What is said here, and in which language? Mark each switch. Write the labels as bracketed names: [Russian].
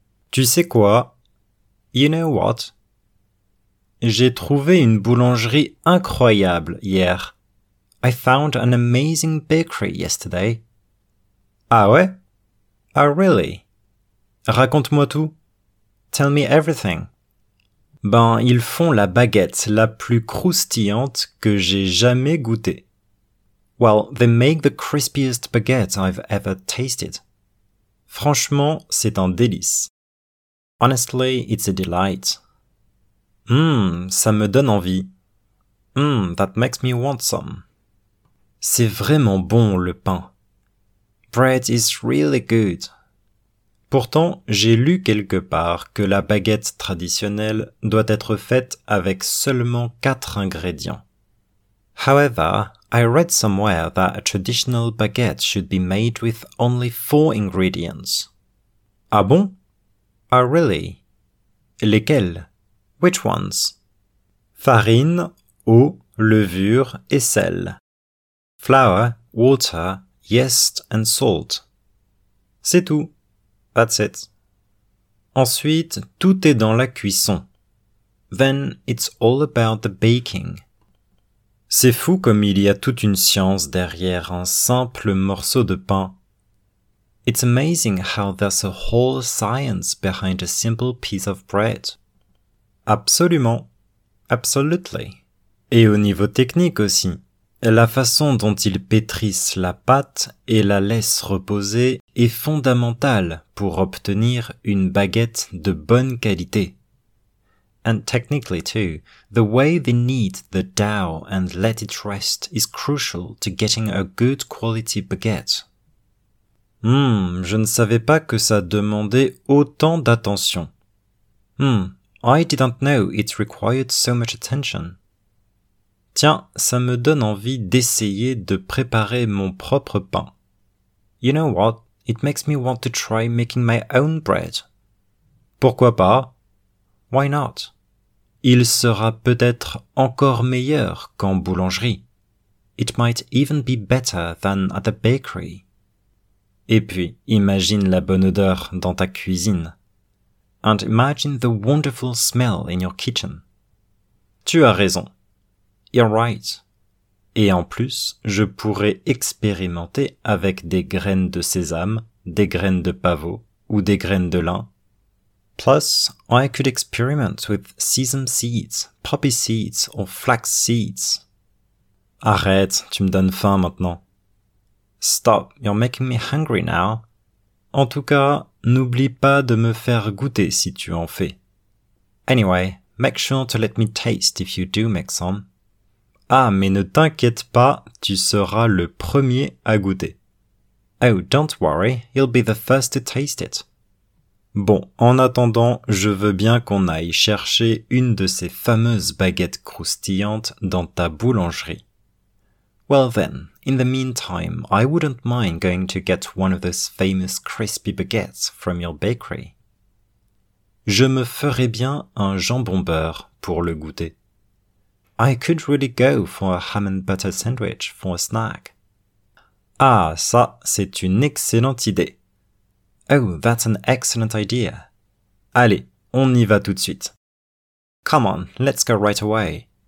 [French] Tu sais quoi? [English] You know what? [French] J'ai trouvé une boulangerie incroyable hier. [English] I found an amazing bakery yesterday. [French] Ah ouais? [English] Oh really? [French] Raconte-moi tout. [English] Tell me everything. [French] Ben, ils font la baguette la plus croustillante que j'ai jamais goûtée. [English] Well, they make the crispiest baguette I've ever tasted. [French] Franchement, c'est un délice. [English] Honestly, it's a delight. [French] Ça me donne envie. [English] That makes me want some. [French] C'est vraiment bon, le pain. [English] Bread is really good. [French] Pourtant, j'ai lu quelque part que la baguette traditionnelle doit être faite avec seulement 4 ingrédients. [English] However, I read somewhere that a traditional baguette should be made with only 4 ingredients. [French] Ah bon? [English] Oh really? [French] Lesquels? [English] Which ones? [French] Farine, eau, levure et sel. [English] Flour, water, yeast and salt. [French] C'est tout. [English] That's it. [French] Ensuite, tout est dans la cuisson. [English] Then it's all about the baking. [French] C'est fou comme il y a toute une science derrière un simple morceau de pain. [English] It's amazing how there's a whole science behind a simple piece of bread. [French] Absolument. [English] Absolutely. [French] Et au niveau technique aussi. La façon dont ils pétrissent la pâte et la laissent reposer est fondamentale pour obtenir une baguette de bonne qualité. [English] And technically too, the way they knead the dough and let it rest is crucial to getting a good quality baguette. [French] Je ne savais pas que ça demandait autant d'attention. [English] I didn't know it required so much attention. [French] Tiens, ça me donne envie d'essayer de préparer mon propre pain. [English] You know what? It makes me want to try making my own bread. [French] Pourquoi pas? [English] Why not? [French] Il sera peut-être encore meilleur qu'en boulangerie. [English] It might even be better than at the bakery. [French] Et puis, imagine la bonne odeur dans ta cuisine. [English] And imagine the wonderful smell in your kitchen. [French] Tu as raison. [English] You're right. [French] Et en plus, je pourrais expérimenter avec des graines de sésame, des graines de pavot ou des graines de lin. [English] Plus, I could experiment with sesame seeds, poppy seeds or flax seeds. [French] Arrête, tu me donnes faim maintenant. [English] Stop, you're making me hungry now. [French] En tout cas, n'oublie pas de me faire goûter si tu en fais. [English] Anyway, make sure to let me taste if you do make some. [French] Ah, mais ne t'inquiète pas, tu seras le premier à goûter. [English] Oh, don't worry, you'll be the first to taste it. [French] Bon, en attendant, je veux bien qu'on aille chercher une de ces fameuses baguettes croustillantes dans ta boulangerie. [English] Well then, in the meantime, I wouldn't mind going to get one of those famous crispy baguettes from your bakery. [French] Je me ferais bien un jambon beurre pour le goûter. [English] I could really go for a ham and butter sandwich for a snack. [French] Ah, ça, c'est une excellente idée. [English] Oh, that's an excellent idea. [French] Allez, on y va tout de suite. [English] Come on, let's go right away.